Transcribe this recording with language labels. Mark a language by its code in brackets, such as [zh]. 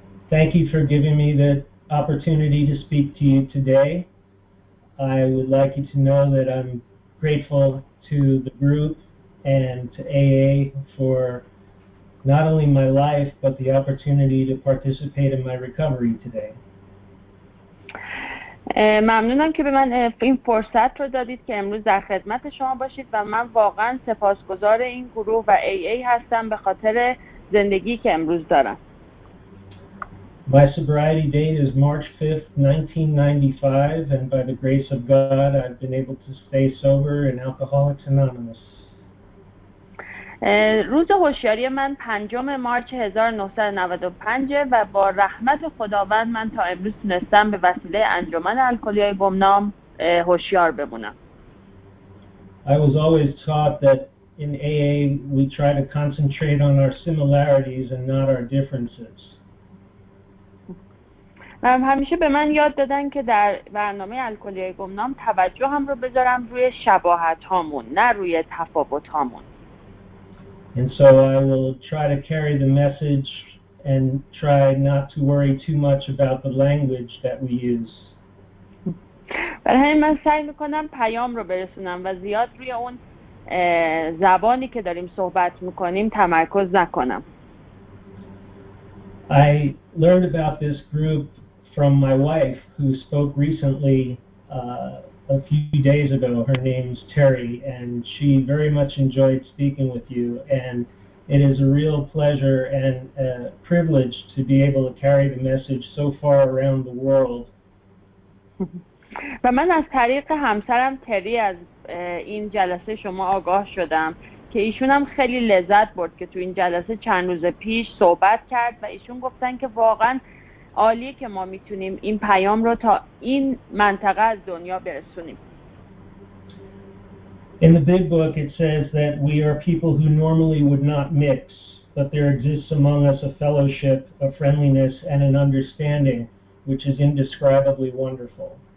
[en] Thank you for giving me the opportunity to speak to you today. I would like you to know that I'm grateful to the group and to AA for not only my life, but the opportunity to participate in my recovery today. [fa] ممنونم که به من این فرصت رو دادید که امروز در خدمت شما باشید و من واقعا سپاسگزار این گروه و AA هستم به خاطر زندگی که امروز دارم. [en] My sobriety date is March 5th, 1995, and by the grace of God, I've been able to stay sober in Alcoholics Anonymous. [fa] روز هوشیاری من 5 مارچ 1995 و با رحمت خداوند من تا امروز تونستم به وسیله انجمن الکلی‌های گمنام هوشیار بمونم. [en] I was always taught that in AA we try to concentrate on our similarities and not our differences. [fa] همیشه به من یاد دادن که در برنامه الکلی‌های گمنام توجه هم رو بذارم روی شباهت هامون نه روی تفاوت هامون. [en] And so I will try to carry the message and try not to worry too much about the language that we use. [fa] برای همین من سعی میکنم پیام رو برسونم و زیاد روی اون زبانی که داریم صحبت میکنیم تمرکز نکنم. [en] I learned about this group from my wife who spoke recently a few days ago. Her name's Terry and she very much enjoyed speaking with you, and it is a real pleasure and a privilege to be able to carry the message so far around the world. [fa] و من از طریق همسرم تری از این جلسه شما آگاه شدم که ایشون هم خیلی لذت برد که تو این جلسه چند روز پیش صحبت کرد و ایشون گفتن که واقعا عالیه که ما میتونیم این پیام رو تا این منطقه از دنیا برسونیم. [en] In the big book it says that we are people who normally would not mix, but there exists among us a fellowship, a friendliness and an understanding which is indescribably wonderful.